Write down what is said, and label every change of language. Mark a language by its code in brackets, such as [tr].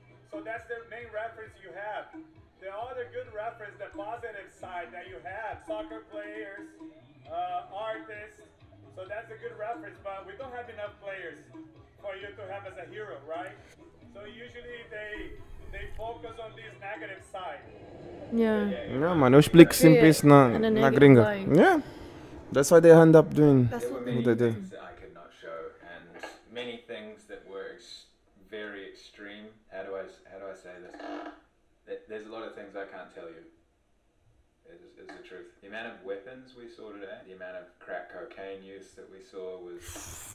[en] So that's the main reference you have. The other good reference, the positive side that you have, soccer players, artists. So that's a good reference, but we don't have enough players. For you to have as a hero, right? So usually they focus on this negative side. Yeah. Yeah, man, [pt] eu explico sempre isso na gringa. [en] Light. Yeah. That's why they end up doing what they do. There were many things that I could not show, and many things that were very extreme. How do I say this? There's a lot of things I can't tell you. It's the truth. The amount of weapons we saw today, the amount of crack cocaine use that we saw was...